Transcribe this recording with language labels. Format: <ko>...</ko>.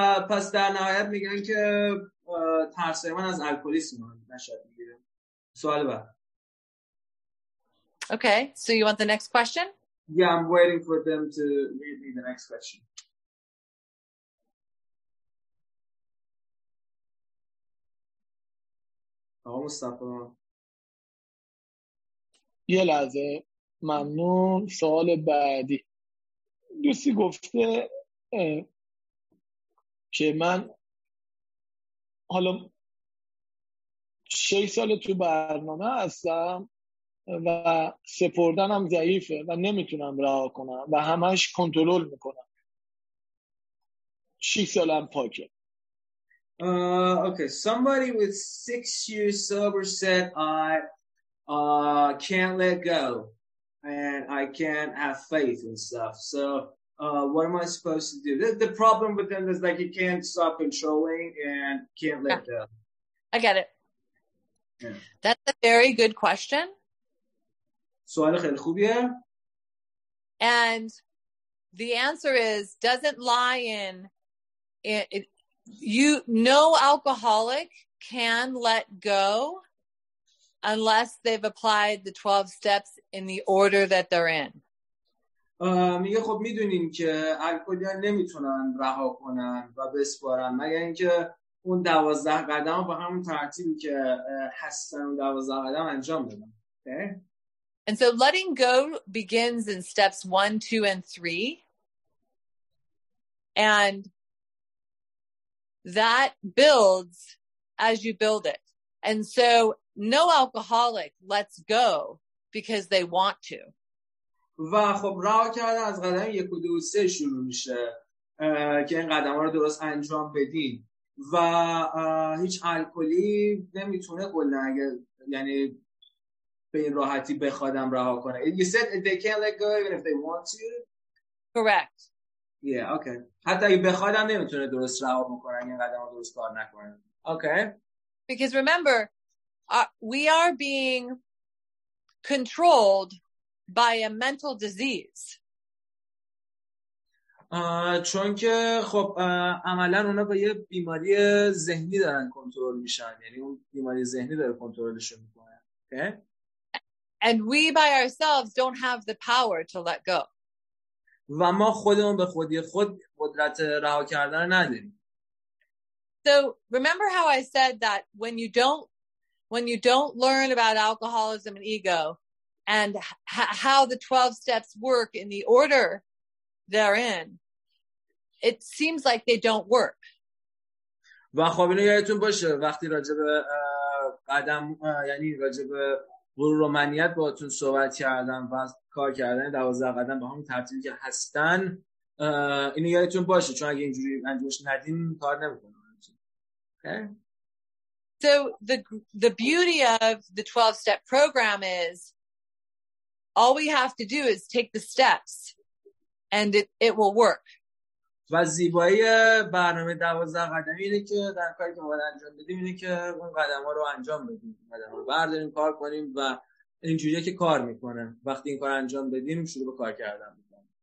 <fa>پس در نهایت میگن که ترس من از الکلیسم نشد میگیره. سوال بعد.</fa> <en>Okay, so you want the next question? Yeah, I'm waiting for them to read me the next question. Almost up.</en> <fa>یه لحظه. ممنون. سوال بعدی. دوستی گفته که من حالا 6 سال تو برنامه هستم و سپردنم ضعیفه و نمیتونم رها کنم و همش کنترل میکنم. 6 سالم پاکه.</fa> <en>Okay, somebody with 6 years sober said I can't let go and I can't have faith and stuff. So what am I supposed to do? The problem with them is like you can't stop controlling and can't let go. I get it. Yeah. That's a very good question.</en> <fa>سوال خیلی خوبیه.</fa> <en>And the answer is doesn't lie in it, you no alcoholic can let go unless they've applied the 12 steps in the order that they're in.</en> <fa>میگه خب میدونین که الکلیا نمیتونن رها کنن و بسپارن مگر اینکه اون 12 قدم با همون ترتیبی که هستن 12 قدم انجام بدن.</fa> <en>Okay? And so letting go begins in steps 1, 2, and 3. And that builds as you build it. And so no alcoholic lets go because they want to.</en> <fa>و خب راه کردن از قدم 1, 2, 3 شروع میشه که این قدم ها رو درست انجام بدین. و هیچ الکلی نمیتونه کلا یعنی به این راحتی بخوادم رها کنه.</fa> <en>You said they can't let go even if they want to. Correct. Yeah, okay.</en> <fa>حتی اگه بخوادم نمیتونه درست رها بکنه، این قدم ها درست کار نکنه.</fa> <en>Okay. Because remember, we are being controlled by a mental disease.</en> <fa>چون که خب عملا اونا با یه بیماری ذهنی دارن کنترل میشن، یعنی اون بیماری ذهنی داره کنترلشون میکنه.</fa> <en>Okay. And we by ourselves don't have the power to let go.</en> <fa>و ما خودمون به خودی خود قدرت رها کردن نداریم.</fa> <en>So remember how I said that when you don't learn about alcoholism and ego and how the 12 steps work in the order they're in, it seems like they don't work.</en> <fa>و خب اینو یادتون باشه وقتی راجب قدم یعنی راجب غرور و منیت با تون صحبت کردم و کار کردن 12 قدم با همون ترتیبی که هستن اینو یادتون باشه چون اگه اینجوری انجامش ندین کار نمی کنم. Okay.</fa> <en>So the beauty of the 12-step program is all we have to do is take the steps and it will work.</en> <fa>و زیبایی برنامه 12 قدمی اینه که در کاری که ما باید انجام بدیم اینه که اون قدم ها رو انجام بدیم، قدم ها رو برداریم کار کنیم و اینجوریه که کار میکنه. وقتی این کار انجام بدیم شروع به کار کردن میکنه.</fa>